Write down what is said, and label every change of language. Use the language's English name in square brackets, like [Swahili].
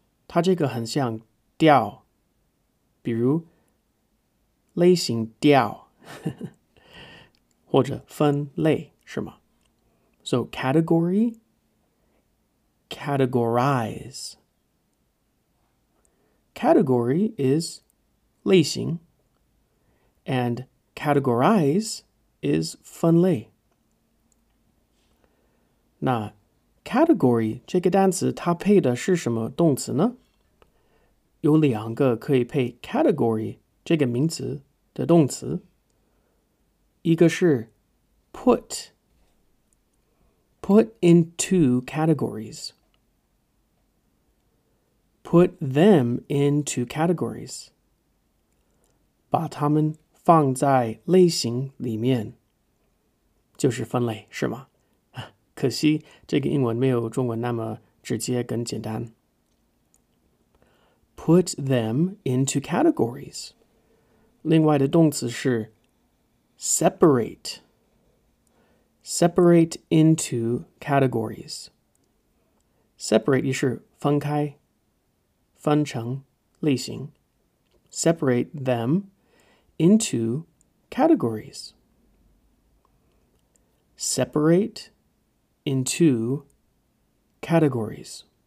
[Chinese] 它这个很像调比如类型调或者分类是吗 [English] So category, categorize. Category is 类型 and categorize is 分类。 [Chinese] 那 category 这个单词它配的是什么动词呢？有两个可以配 category 这个名词的动词。一个是 [English] put into categories. Put them into categories. [Chinese] 把它们放在类型里面。就是分类是吗可惜这个英文没有中文那么直接跟简单。 [English] Put them into categories. [Chinese] 另外的动词是 separate. [English] Separate into categories. Separate [Chinese] 也是分开。分成类型 [English] Separate them into categories. Separate into categories.